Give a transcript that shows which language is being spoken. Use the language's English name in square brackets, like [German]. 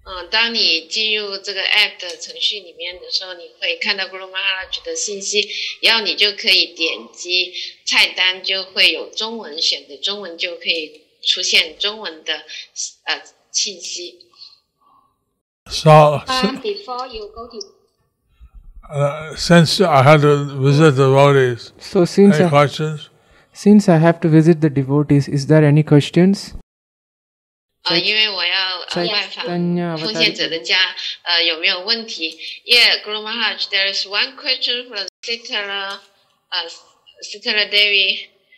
[Chinese] 当你进入这个 app 的程序里面的时候，你会看到 Guru Maharaj 的信息，然后你就可以点击菜单，就会有中文，选择中文就可以出现中文的信息。So [English] before you go to, since I have to visit the devotees, so since any questions? Since I have to visit the devotees, is there any questions? [Chinese] 因为我要 外访奉献者的家，有没有问题？ [English] Yeah, Guru Maharaj, there is one question from Sitala Devi.